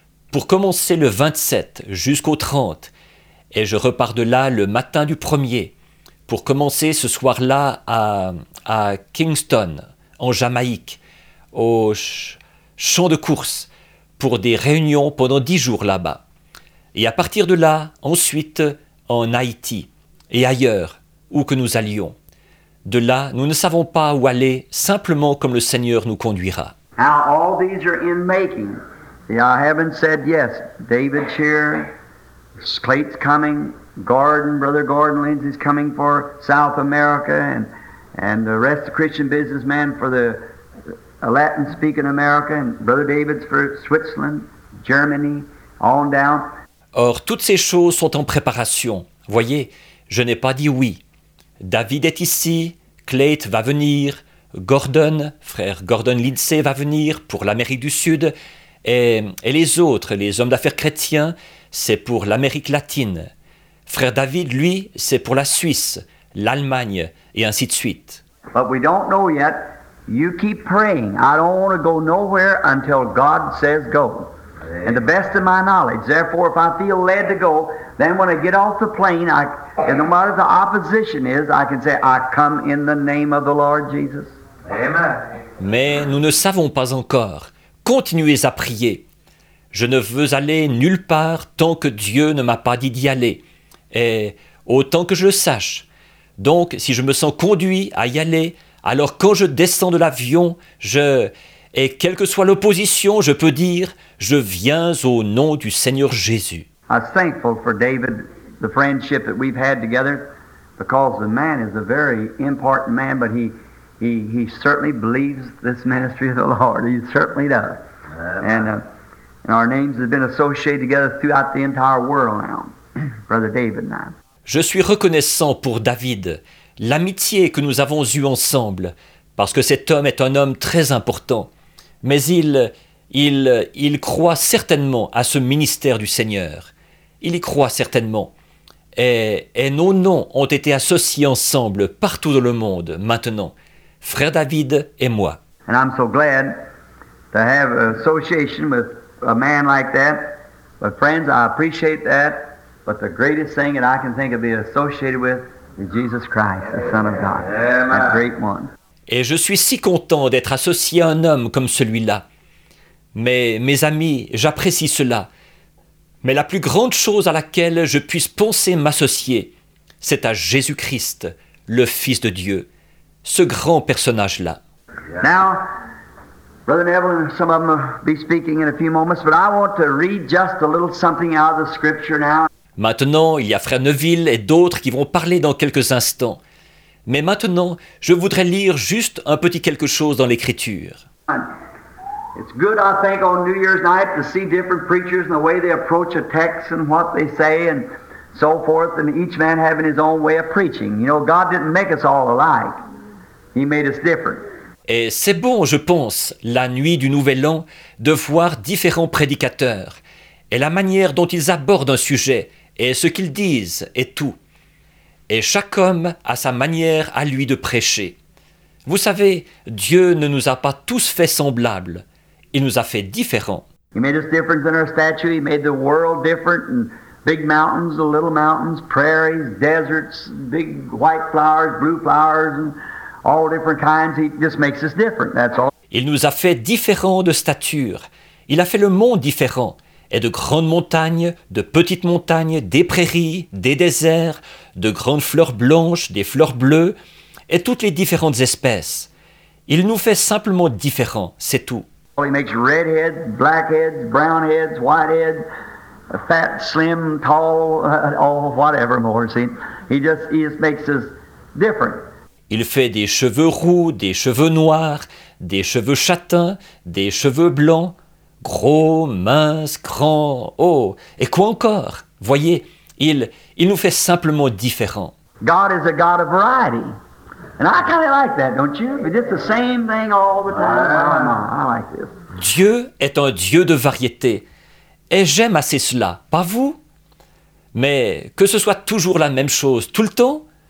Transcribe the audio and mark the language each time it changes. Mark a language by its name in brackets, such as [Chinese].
[French] Pour commencer le 27 jusqu'au 30, et je repars de là le matin du 1er, pour commencer ce soir-là à Kingston, en Jamaïque, au champ de course, pour des réunions pendant 10 jours là-bas. Et à partir de là, ensuite, en Haïti, et ailleurs, où que nous allions. De là, nous ne savons pas où aller, simplement comme le Seigneur nous conduira. [English] Now, all these are in making. Yeah, I haven't said yes. David's here. Clayton's coming. Brother Gordon Lindsay's coming for South America, and the rest of the Christian businessmen for the Latin-speaking America, and Brother David's for Switzerland, Germany, on down. [French] Or, toutes ces choses sont en préparation. Voyez, je n'ai pas dit oui. David est ici. Clayton va venir. Gordon, frère Gordon Lindsay, va venir pour l'Amérique du Sud. Et les autres, les hommes d'affaires chrétiens, c'est pour l'Amérique latine. Frère David, lui, c'est pour la Suisse, l'Allemagne, et ainsi de suite. [English] But we don't know yet. You keep praying. I don't want to go nowhere until God says go. And the best of my knowledge. Therefore, if I feel led to go, then when I get off the plane, and no matter the opposition is, I can say, I come in the name of the Lord Jesus. Amen. [French] Mais nous ne savons pas encore. Continuez à prier. Je ne veux aller nulle part tant que Dieu ne m'a pas dit d'y aller. Et autant que je le sache. Donc, si je me sens conduit à y aller, alors quand je descends de l'avion, et quelle que soit l'opposition, je peux dire, je viens au nom du Seigneur Jésus. [English] I'm thankful for David, the friendship that we've had together, because the man is a very important man, but he certainly believes this ministry of the Lord. He certainly does. And our names have been associated together throughout the entire world now, Brother David and I. [French] Je suis reconnaissant pour David, l'amitié que nous avons eue ensemble, parce que cet homme est un homme très important. Mais il croit certainement à ce ministère du Seigneur. Il y croit certainement. Et nos noms ont été associés ensemble partout dans le monde maintenant, frère David et moi. [English] And I'm so glad to have an association with a man like that. But friends, I appreciate that. But the greatest thing that I can think of being associated with is Jesus Christ, the Son of God, Amen. That great one. [French] Et je suis si content d'être associé à un homme comme celui-là. Mais mes amis, j'apprécie cela. Mais la plus grande chose à laquelle je puisse penser m'associer, c'est à Jésus-Christ, le Fils de Dieu, ce grand personnage-là. [English] Yeah. Now, Brother Neville and some of them will be speaking in a few moments, but I want to read just a little something out of the Scripture now. [French] Maintenant, il y a Frère Neville et d'autres qui vont parler dans quelques instants. Mais maintenant, je voudrais lire juste un petit quelque chose dans l'Écriture. [English] It's good, I think, on New Year's night to see different preachers and the way they approach a text and what they say and so forth, and each man having his own way of preaching. You know, God didn't make us all alike. He made us different. [French] Et c'est bon, je pense, la nuit du Nouvel An, de voir différents prédicateurs et la manière dont ils abordent un sujet et ce qu'ils disent et tout. Et chaque homme a sa manière à lui de prêcher. Vous savez, Dieu ne nous a pas tous fait semblables. Il nous a fait différents. [English] He made us different than our statue. He made the world different. And big mountains, the little mountains, prairies, deserts, big white flowers, blue flowers, and all different kinds. He just makes us different, that's all. [French] Il nous a fait différents de stature. Il a fait le monde différent. Et de grandes montagnes, de petites montagnes, des prairies, des déserts, de grandes fleurs blanches, des fleurs bleues, et toutes les différentes espèces. Il nous fait simplement différents, c'est tout. [English] Well, he makes redheads, blackheads, brownheads, whiteheads, fat, slim, tall, all whatever more. See, he just makes us different. [French] Il fait des cheveux roux, des cheveux noirs, des cheveux châtains, des cheveux blancs. Gros, mince, grand, oh, et quoi encore? Voyez, il nous fait simplement différent. [English] God is a God of variety. And I kind of like that, don't you? But it's the same thing all the time. I like this. [French] Dieu est un Dieu de variété. Et j'aime assez cela, pas vous? Mais que ce soit toujours la même chose tout le temps?